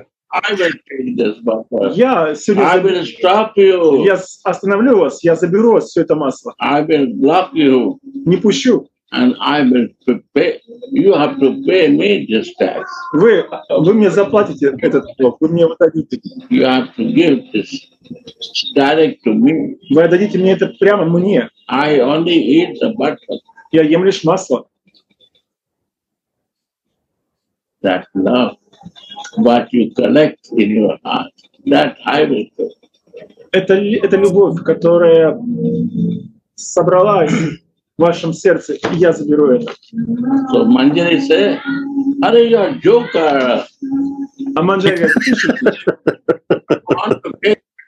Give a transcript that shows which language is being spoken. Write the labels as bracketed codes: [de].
[en] I will take this butter. [ru] Я сегодня [en] I will stop you. [ru] Я остановлю вас, я заберу вас все это масло. [en] I will block you. [ru] Не пущу. [en] And I will pay. You have to pay me this tax. [ru] Вы мне заплатите этот долг. Вы мне его дадите. [en] You have to give this direct to me. [ru] Вы дадите мне это прямо мне. [en] I only eat the butter. [ru] Я ем лишь масло. [en] That love. What you collect in your heart, that I will do. [ru] Это любовь, которая собралась в вашем сердце, и я заберу это. [en] So Manjari say, are you a joker? [ru] А Манджари говорит,